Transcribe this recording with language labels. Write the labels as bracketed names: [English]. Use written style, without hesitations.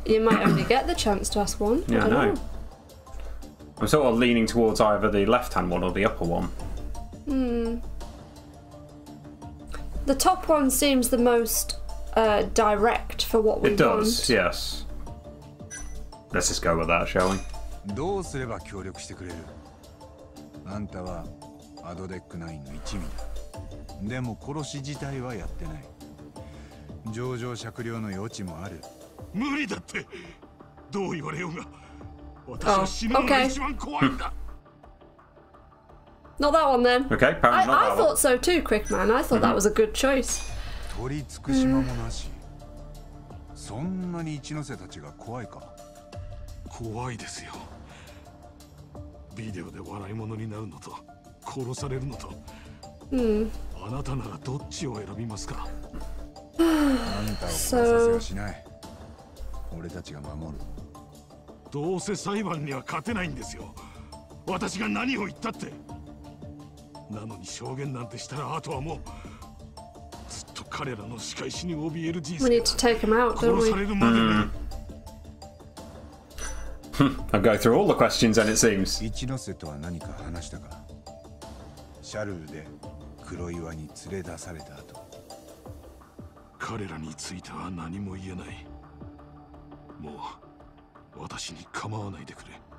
[English] You might only get the chance to ask one. Yeah, I know. I'm sort of leaning towards either the left-hand one or the upper one. The top one seems the most direct for what we want. It does, yes. Let's just go with that, shall we? [Japanese] どうすれば協力してくれる?あんたは Adodec 9の一味だ. でも殺し自体はやってない.情状酌量の余地もある. 無理だって!どう言われようが! [English] Oh, okay. Not that one then. Okay, apparently not that one. I thought so too, Quick Man. I thought that was a good choice. [Japanese] 取り尽くしもなし。そんなに一ノ瀬たちが怖いか。怖いですよ。ビデオで笑い物になるのと殺されるのと、あなたならどっちを選びますか。あんたを殺させはしない。俺たちが守る。どうせ裁判には勝てないんですよ。私が何を言ったって。なのに証言なんてしたら、あとはもうずっと彼らの仕返しに怯える人生。 [English] We need to take him out, don't we? [Japanese] 殺されるまで。 [English] I'll go through all the questions, and it seems. [Japanese] 一ノ瀬とは何か話したか。シャルルで黒岩に連れ出された後、彼らについては何も言えない。もう私に構わないでくれ。